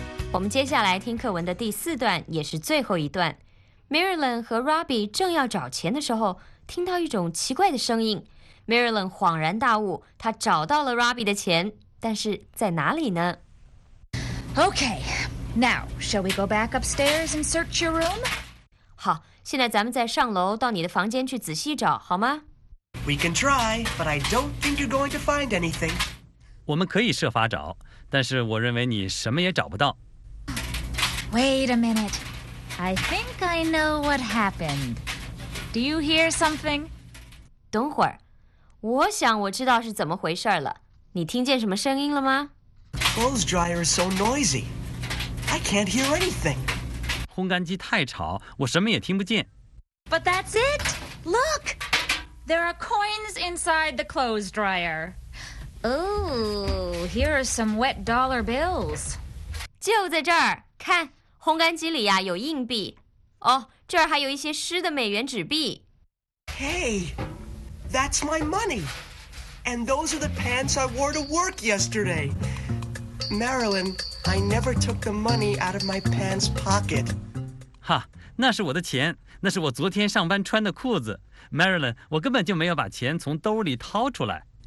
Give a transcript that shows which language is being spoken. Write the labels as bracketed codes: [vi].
[zh] 我们接下来听课文的第四段，也是最后一段。 Marilyn 和 Robbie 正要找钱的时候，听到一种奇怪的声音。 Marilyn 恍然大悟，她找到了 Robbie 的钱，但是在哪里呢？ [en] Okay, now shall we go back upstairs and search your room? [zh] 好，现在咱们再上楼到你的房间去仔细找，好吗？ [en] We can try, but I don't think you're going to find anything. [zh] 我们可以设法找，但是我认为你什么也找不到。 [en] Wait a minute. I think I know what happened. Do you hear something? [zh] 等会儿，我想我知道是怎么回事了。你听见什么声音了吗？ [en] Clothes dryer is so noisy. I can't hear anything. [zh] 烘干机太吵，我什么也听不见。 [en] But that's it. Look, there are coins inside the clothes dryer. Oh, here are some wet dollar bills. [zh] 就在这儿，看。烘干机里呀、啊、有硬币，哦，这儿还有一些湿的美元纸币。 [en] Hey, that's my money, and those are the pants I wore to work yesterday. Marilyn, I never took the money out of my pants pocket. [zh] 哈，那是我的钱，那是我昨天上班穿的裤子。 Marilyn, 我根本就没有把钱从兜里掏出来。